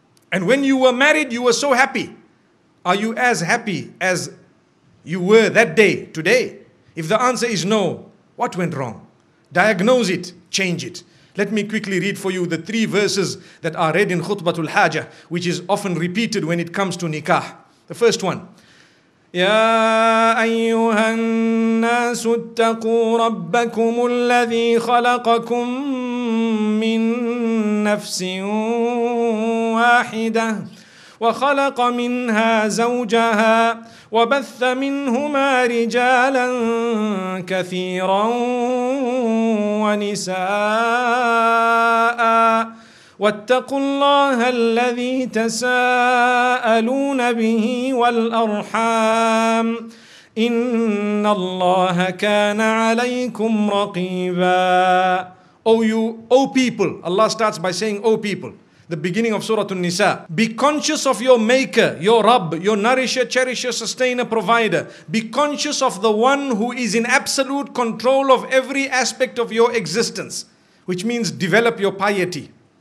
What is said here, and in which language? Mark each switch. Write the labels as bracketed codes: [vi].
[en] And when you were married, you were so happy. Are you as happy as you were that day, today? If the answer is no, what went wrong? Diagnose it, change it. Let me quickly read for you the three verses that are read in Khutbatul Hajah, which is often repeated when it comes to nikah. The first one. [ar] Ya ayyuha an-nas ittaqu rabbakum alladhi khalaqakum min نفس واحدة وخلق منها زوجها وبث منهما رجالا كثيرا ونساء واتقوا الله الذي تساءلون به والأرحام إن الله كان عليكم رقيبا. [en] O people, Allah starts by saying, O people, the beginning of Surah An-Nisa. Be conscious of your maker, your Rabb, your nourisher, cherisher, sustainer, provider. Be conscious of the one who is in absolute control of every aspect of your existence, which means develop your piety.